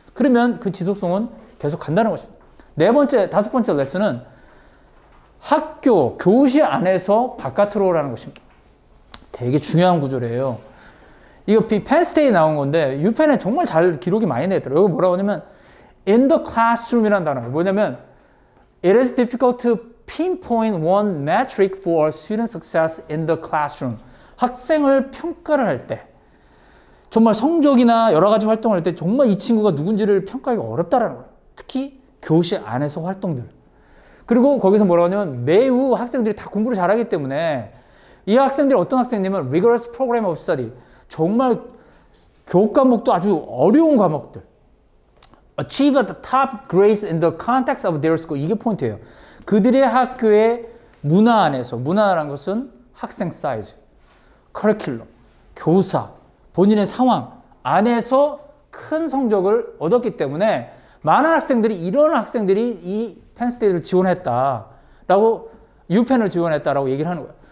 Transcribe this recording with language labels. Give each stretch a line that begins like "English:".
Korean: 그러면 그 지속성은 계속 간다는 것입니다. 네 번째, 다섯 번째 레슨은 학교, 교실 안에서 바깥으로 오라는 것입니다. 되게 중요한 구절이에요. 이거 펜스테이 나온 건데 유펜에 정말 잘 기록이 많이 되더라고요. 이거 뭐라고 하냐면
English: in the classroom
Korean: 이라는 단어예요. 뭐냐면
English: it is difficult to pinpoint one metric for student success in the classroom.
Korean: 학생을 평가를 할 때 정말 성적이나 여러 가지 활동을 할 때 정말 이 친구가 누군지를 평가하기가 어렵다라는 거예요. 특히 교실 안에서 활동들. 그리고 거기서 뭐라고 하냐면 매우 학생들이 다 공부를 잘하기 때문에 이 학생들이 어떤 학생이냐면
English: rigorous program of study.
Korean: 정말 교육 과목도 아주 어려운 과목들.
English: achieve the top grades in the context of their school.
Korean: 이게 포인트예요. 그들의 학교의 문화 안에서, 문화라는 것은 학생 사이즈, curriculum, 교사, 본인의 상황 안에서 큰 성적을 얻었기 때문에 많은 학생들이 이런 학생들이 이 펜스테이트를 지원했다라고 유펜을 지원했다라고 얘기를 하는 거예요.